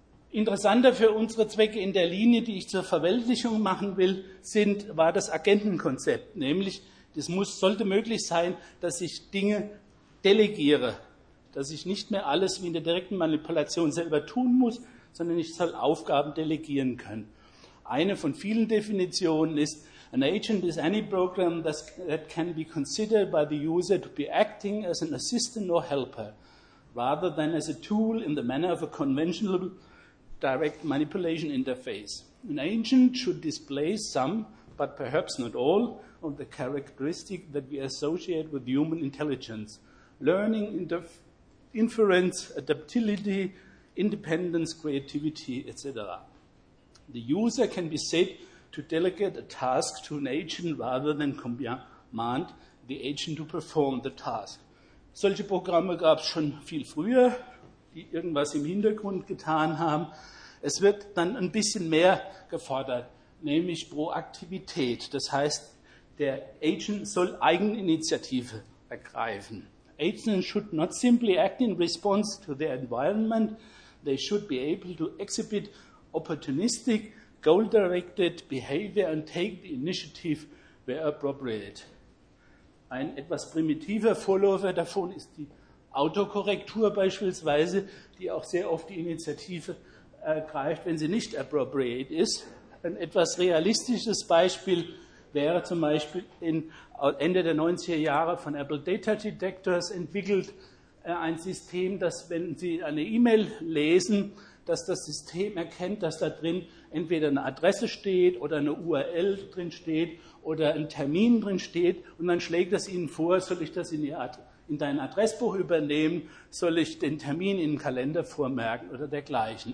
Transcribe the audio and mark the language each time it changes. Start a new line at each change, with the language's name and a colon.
German: Interessanter für unsere Zwecke in der Linie, die ich zur Verweltlichung machen will, war das Agentenkonzept. Nämlich, sollte möglich sein, dass ich Dinge delegiere, dass ich nicht mehr alles wie in der direkten Manipulation selber tun muss, sondern ich soll Aufgaben delegieren können. Eine von vielen Definitionen ist,
English: an agent is any program that can be considered by the user to be acting as an assistant or helper, rather than as a tool in the manner of a conventional direct manipulation interface. An agent should display some, but perhaps not all, of the characteristic that we associate with human intelligence. Learning, inference, adaptability, independence, creativity, etc. The user can be said to delegate a task to an agent rather than command the agent to perform the task.
German: Solche Programme gab es schon viel früher, die irgendwas im Hintergrund getan haben. Es wird dann ein bisschen mehr gefordert, nämlich Proaktivität. Das heißt, der Agent soll Eigeninitiative ergreifen.
English: Agents should not simply act in response to their environment. They should be able to exhibit opportunistic, goal-directed behavior and take the initiative where appropriate.
German: Ein etwas primitiver Vorläufer davon ist die Autokorrektur beispielsweise, die auch sehr oft die Initiative ergreift, wenn sie nicht appropriate ist. Ein etwas realistisches Beispiel wäre zum Beispiel Ende der 90er Jahre von Apple Data Detectors entwickelt, ein System, dass, wenn Sie eine E-Mail lesen, dass das System erkennt, dass da drin entweder eine Adresse steht oder eine URL drin steht oder ein Termin drin steht, und dann schlägt es Ihnen vor, soll ich das in dein Adressbuch übernehmen, soll ich den Termin in den Kalender vormerken oder dergleichen.